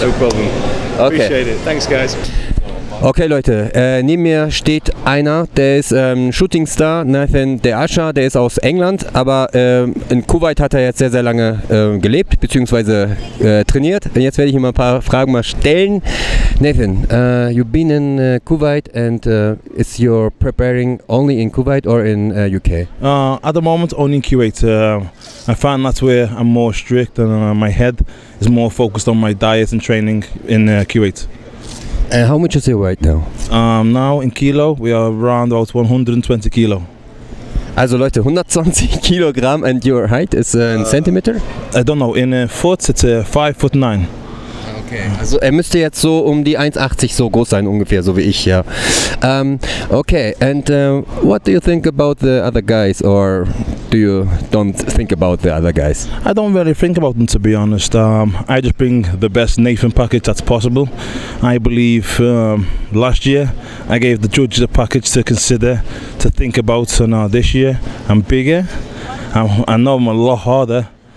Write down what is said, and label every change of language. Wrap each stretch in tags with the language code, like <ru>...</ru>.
<en>No problem. Okay. Appreciate it. Thanks, guys.</en> <de>Okay, Leute, neben mir steht einer, der ist Shootingstar, Nathan DeAsha, der ist aus England, aber in Kuwait hat er jetzt sehr, sehr lange gelebt, beziehungsweise trainiert. Und jetzt werde ich ihm ein paar Fragen mal stellen.</de> <en>Nathan, you've been in Kuwait, and is your preparing only in Kuwait or in UK? At the moment, only in Kuwait. I find that's where I'm more strict, and my head is more focused on my diet and training in Kuwait. And how much is your weight now? Now in kilo, we are around about 120 kilo.</en> <de>Also Leute,</de> <en>120 kilogram, and your height is in centimeter? I don't know, in foot it's 5'9".</en> <de>Okay, also er müsste jetzt so um die 1,80 so groß sein ungefähr, so wie ich, ja.</de> <en>Okay, and what do you think about the other guys, or do you don't think about the other guys? I don't really think about them, to be honest. I just bring the best Nathan package that's possible. I believe last year I gave the judges a package to consider, to think about, so now this year I'm bigger, I know I'm a lot harder.</en>